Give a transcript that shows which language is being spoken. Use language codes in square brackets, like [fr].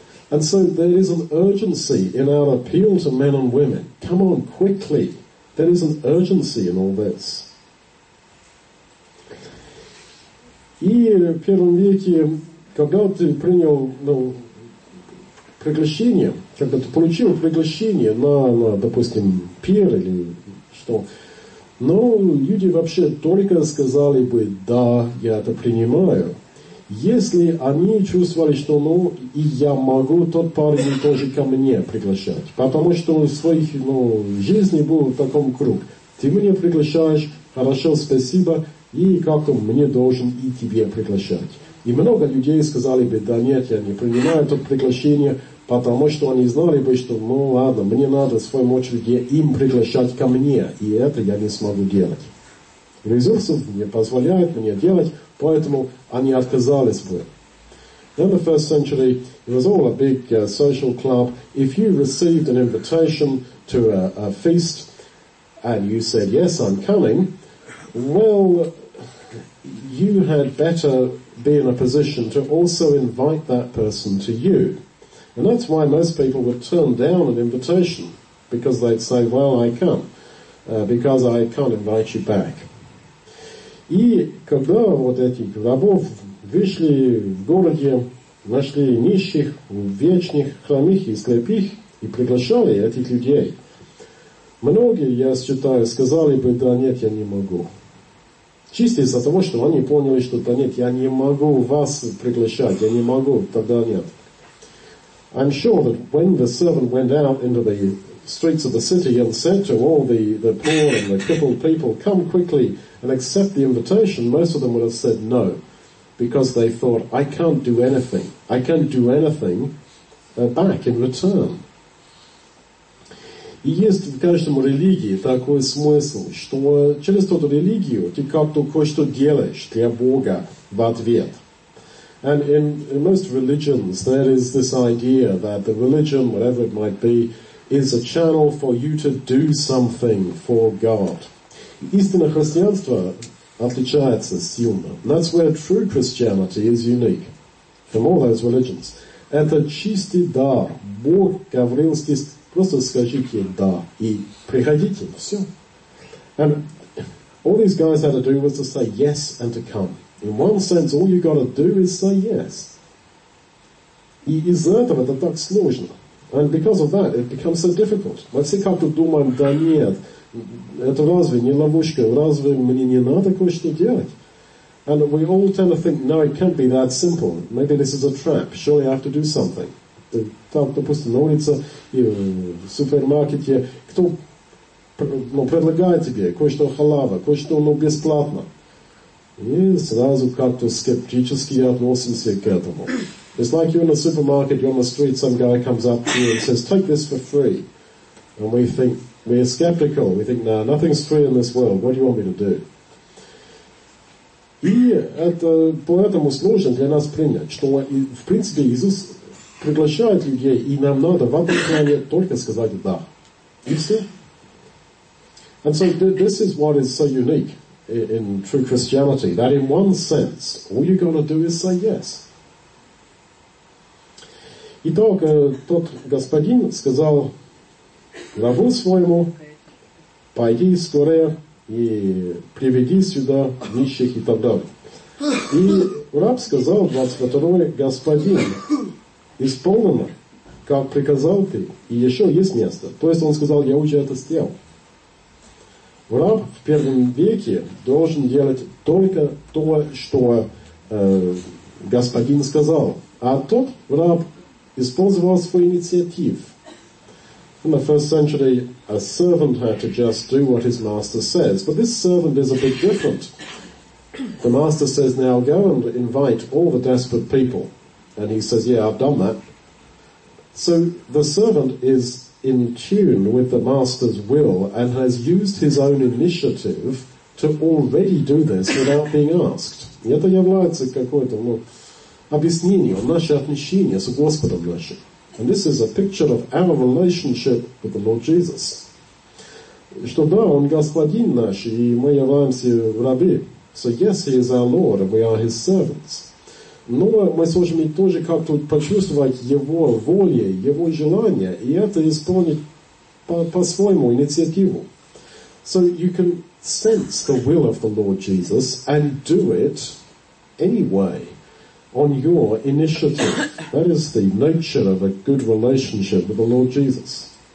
[en] And so there is an urgency in our appeal to men and women. Come on, quickly. There is an urgency in all this. [ru] И в первом веке, когда ты принял приглашение, когда ты получил приглашение на допустим, пир или что, люди вообще только сказали бы «да, я это принимаю». Если они чувствовали, что и я могу, тот парень тоже ко мне приглашать. Потому что в своих жизни был в таком круг. Ты меня приглашаешь, хорошо, спасибо, и как-то мне должен и тебе приглашать. И много людей сказали бы, да нет, я не принимаю это приглашение, потому что они знали бы, что ладно, мне надо в своем очереди им приглашать ко мне, и это я не смогу делать. Ресурсов не позволяют мне делать, поэтому они отказались бы. [en] In the first century, it was all a big social club. If you received an invitation to a feast and you said, yes, I'm coming, you had better be in a position to also invite that person to you. And that's why most people would turn down an invitation, because they'd say, I come, because I can't invite you back. [ru] И когда вот этих рабов вышли в городе, нашли нищих, вечных, хромих и слепых, и приглашали этих людей, многие, я считаю, сказали бы, да нет, я не могу. Чисто из-за того, что они поняли, что да нет, я не могу вас приглашать, я не могу, тогда нет. [en] I'm sure that when the servant went out into the streets of the city and said to all the poor and the crippled people, come quickly and accept the invitation, most of them would have said no, because they thought, I can't do anything. I can't do anything back in return. [ru] И есть в каждом религии такой смысл, что через эту религию ты как-то кое-что делаешь для Бога в ответ. [en] And in most religions, there is this idea that the religion, whatever it might be, is a channel for you to do something for God. [ru] Истинное христианство отличается сильно. [en] That's where true Christianity is unique from all those religions. [ru] Это чистый дар. Бог говорил здесь, просто скажите «да» и приходите, все. [en] And all these guys had to do was to say yes and to come. In one sense, all you got to do is say yes. [ru] И из-за этого это так сложно. [en] And because of that, it becomes so difficult. [ru] Мы все как-то думаем, да нет, это разве не ловушка, разве мне не надо кое-что делать? [en] And we all tend to think, no, it can't be that simple. Maybe this is a trap. Surely I have to do something. [ru] Там, допустим, на улице и в супермаркете кто предлагает тебе кое-что халава, кое-что бесплатно. И сразу как-то скептически относимся к этому. [en] It's like you're in a supermarket, you're on the street, some guy comes up to you and says, take this for free. And we think, we're skeptical. We think, no, nothing's free in this world. What do you want me to do? [ru] И это поэтому сложно для нас принять, что, в принципе, Иисус приглашает людей, и нам надо в этом плане только сказать «да». И все. [en] And so this is what is so unique in true Christianity, that in one sense, all you're going to do is say yes. [ru] Итак, тот господин сказал рабу своему, пойди скорее и приведи сюда нищих и так далее. И раб сказал 22-й, господин, исполнено, как приказал ты, и еще есть место. То есть он сказал, я уже это сделал. Раб в первом веке должен делать только то, что господин сказал. А тот раб использовал свой инициатив. [en] In the first century, a servant had to just do what his master says. But this servant is a bit different. The master says, now go and invite all the desperate people. And he says, yeah, I've done that. So the servant is in tune with the master's will and has used his own initiative to already do this without being asked. [ru] И это является какое-то объяснение, наше отношение с Господом нашим. [en] And this is a picture of our relationship with the Lord Jesus. [ru] Что да, Он Господин наш, и мы являемся рабы. [en] So yes, He is our Lord, and we are His servants. [ru] Но мы сможем тоже как-то почувствовать его воле, его желание, и это исполнить по-своему инициативу. [en] So you can sense the will of the Lord Jesus and do it anyway on your initiative. That is the nature of a good relationship with the Lord Jesus.